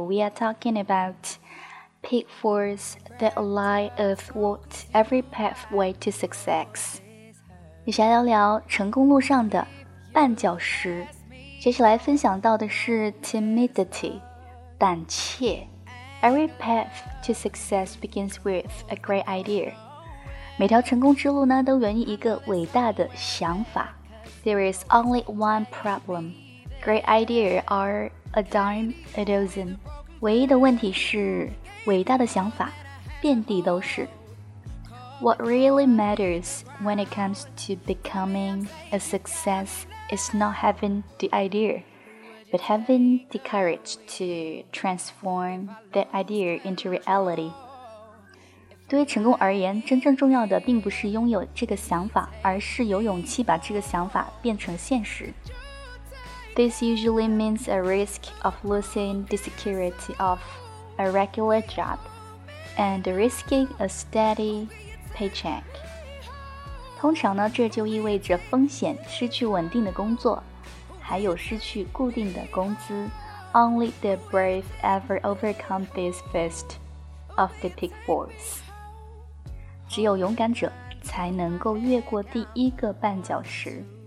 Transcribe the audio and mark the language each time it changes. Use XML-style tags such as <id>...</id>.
<en>We are talking about pitfalls that lie athwart every pathway to success.</en> <zh>接下来聊聊成功路上的绊脚石。接下来分享到的是 timidity, 胆怯。</zh> <en>Every path to success begins with a great idea.</en> <zh>每条成功之路呢都源于一个伟大的想法。</zh> <en>There is only one problem. Great ideas are a dime a dozen.</en> <zh>唯一的问题是伟大的想法遍地都是。</zh> <en>What really matters when it comes to becoming a success is not having the idea, but having the courage to transform that idea into reality.</en> <zh>对于成功而言，真正重要的并不是拥有这个想法，而是有勇气把这个想法变成现实。</zh> <en>This usually means a risk of losing the security of a regular job and risking a steady paycheck.</en> <zh>通常呢，这就意味着风险，失去稳定的工作，还有失去固定的工资。</zh> <en>Only the brave ever overcome this first of the pitfalls.</en> <zh>只有勇敢者才能够越过第一个绊脚石。</zh>